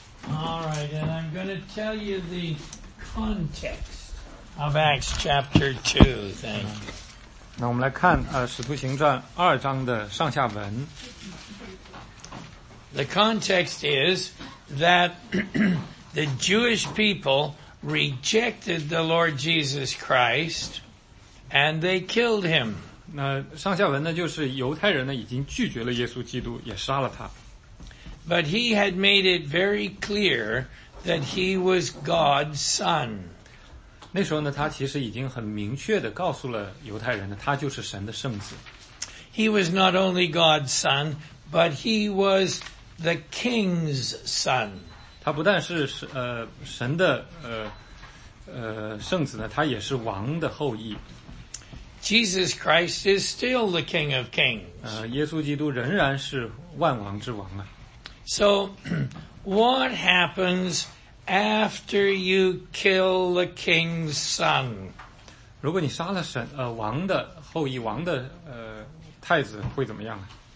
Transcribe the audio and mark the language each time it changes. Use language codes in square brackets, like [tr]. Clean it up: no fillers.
[en] All right, and I'm going to tell you the context of Acts chapter 2. Thank you. [zh] 那我们来看《使徒行传》二章的上下文。 [en] The context is that the Jewish people rejected the Lord Jesus Christ and they killed him. [zh] 那上下文呢，就是犹太人呢已经拒绝了耶稣基督，也杀了他。 [en] But he had made it very clear that he was God's son. [zh] 那时候呢，他其实已经很明确地告诉了犹太人呢，他就是神的圣子。 [en] He was not only God's son, but he was the king's son. [zh] 他不但是神的圣子呢，他也是王的后裔。 [en] Jesus Christ is still the King of Kings. [zh] 耶稣基督仍然是万王之王啊。 [en] So, what happens after you kill the king's son? [zh] 如果你杀了神王的后裔王的太子会怎么样啊？